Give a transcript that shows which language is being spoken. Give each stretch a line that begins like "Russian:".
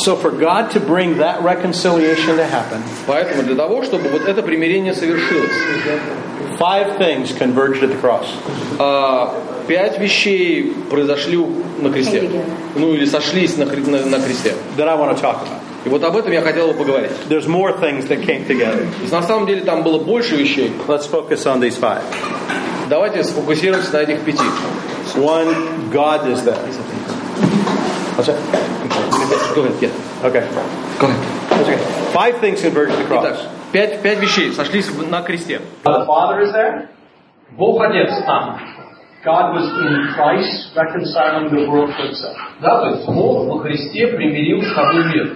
English: So for God to bring that reconciliation to happen,
Russian: поэтому для того, чтобы вот это примирение совершилось,
English: five things converged at the cross.
Russian: Пять вещей произошли на кресте. Ну или сошлись на кресте.
English: That I want to talk about.
Russian: И вот об этом я хотел бы поговорить.
English: There's more things that came together.
Russian: На самом деле там было больше вещей.
English: Let's focus on these five.
Russian: Давайте сфокусируемся на этих пяти.
English: One, God is there. Five things converged to cross.
Russian: Пять вещей сошлись на кресте.
English: The Father is there.
Russian: Бог Отец там.
English: God was in Christ reconciling the world to Himself.
Russian: Да, то есть Бог во Христе примирил с собой мир.